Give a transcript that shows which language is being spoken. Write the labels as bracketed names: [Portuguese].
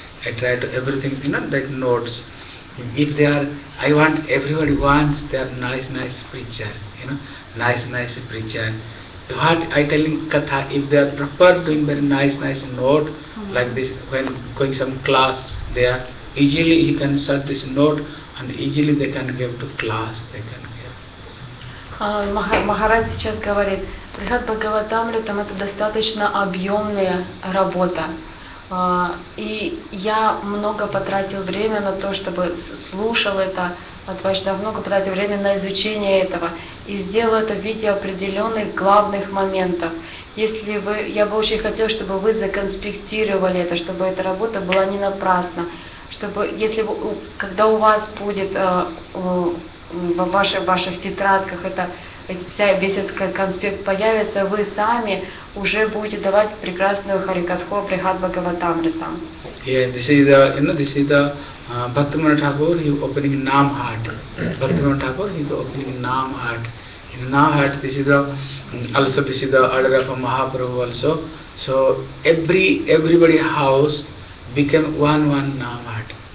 [English] I try to everything, you know, like notes. If they are, I want, everybody wants their nice preacher, you know, nice preacher. What I tell him, katha, if they are proper doing very nice note, like this, when going some class there, easily he can search this note, and easily they can give to class, they can give. [Russian] Maharaj сейчас говорит, Брихат Бхагаватамритам — это достаточно объемная работа. И я много потратил время на то, чтобы слушал это от Вайшнава, много потратил время на изучение этого. И сделал это в виде определенных главных моментов. Если вы, я бы очень хотел, чтобы вы законспектировали это, чтобы эта работа была не напрасна. Чтобы, если вы, когда у вас будет в ваших тетрадках это весь этот конспект появится, вы сами уже будете давать прекрасную харикатху Брихат Бхагаватамритам. [English] Yeah, this is the, you know, this is the Bhaktivinoda Thakur, he opening Naam Heart. Bhaktivinoda Thakur, he opening Naam Heart. In Naam Heart, this is the, also this is the order of Mahaprabhu also. So, everybody house became one Naam Heart.